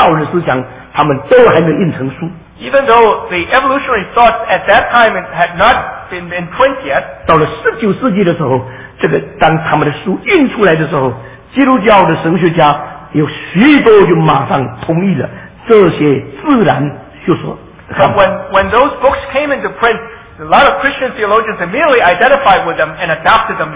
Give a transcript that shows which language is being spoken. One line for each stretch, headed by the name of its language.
Chinese: 所以那个时候，喇嘛克的思想以及进化论的这个19世纪最重要的瓦拉跟道尔的思想，他们都还没印成书。
English: Even though the evolutionary thoughts at that time had not been imprinted yet,
Chinese: 到了19世纪的时候，这个当他们的书印出来的时候，基督教的神学家有许多就马上同意了这些自然。
English: When those books came into print, a lot of Christian theologians immediately identified with them and adopted them